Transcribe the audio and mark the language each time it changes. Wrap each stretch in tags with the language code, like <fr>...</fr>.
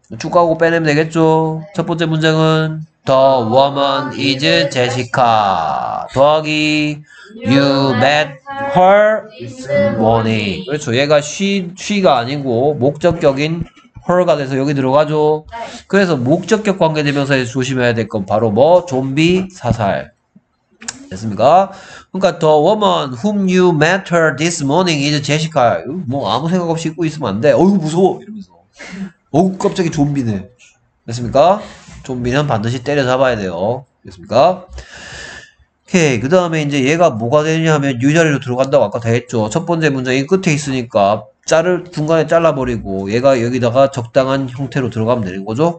<ko>쭉 가고 빼내면 되겠죠. 첫 번째 문장은</ko> <en>The woman is Jessica.</en> <ko>더하기</ko> <en>You met her this morning.</en> <ko>그렇죠. 얘가 she가 아니고 목적격인 her가 돼서 여기 들어가죠. 그래서 목적격 관계되면서 조심해야 될 건 바로 뭐? 좀비 사살. 됐습니까? 그러니까</ko> <en>The woman whom you met her this morning is Jessica.</en> <ko>뭐 아무 생각 없이 입고 있으면 안 돼. 어이구 무서워. 이러면서. 어우 갑자기 좀비네. 됐습니까? 좀비는 반드시 때려잡아야 돼요. 됐습니까? 오케이. 그 다음에 이제 얘가 뭐가 되냐 하면 유자리로 들어간다고 아까 다 했죠. 첫 번째 문장이 끝에 있으니까 중간에 잘라버리고 얘가 여기다가 적당한 형태로 들어가면 되는 거죠.</ko>